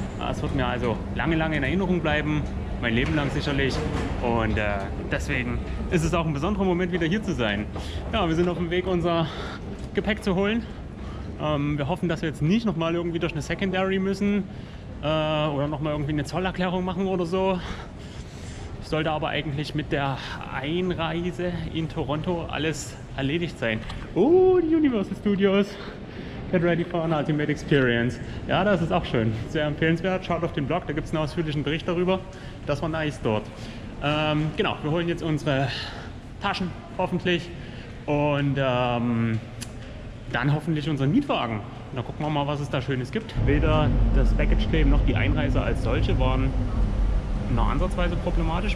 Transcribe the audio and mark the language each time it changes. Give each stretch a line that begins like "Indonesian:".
German: Es wird mir also lange, lange in Erinnerung bleiben. Mein Leben lang sicherlich, und deswegen ist es auch ein besonderer Moment, wieder hier zu sein. Ja, wir sind auf dem Weg, unser Gepäck zu holen, Wir hoffen, dass wir jetzt nicht nochmal irgendwie durch eine Secondary müssen oder nochmal irgendwie eine Zollerklärung machen oder so. Ich sollte aber eigentlich mit der Einreise in Toronto alles erledigt sein. Oh, die Universal Studios.
English: Get ready for an ultimate experience.
German: Ja, das ist auch schön. Sehr empfehlenswert. Schaut auf den Blog, da gibt es einen ausführlichen Bericht darüber. Das war nice dort. Genau, wir holen jetzt unsere Taschen, hoffentlich. Und dann hoffentlich unseren Mietwagen. Dann gucken wir mal, was es da Schönes gibt. Weder das Baggage Claim noch die Einreise als solche waren noch ansatzweise problematisch.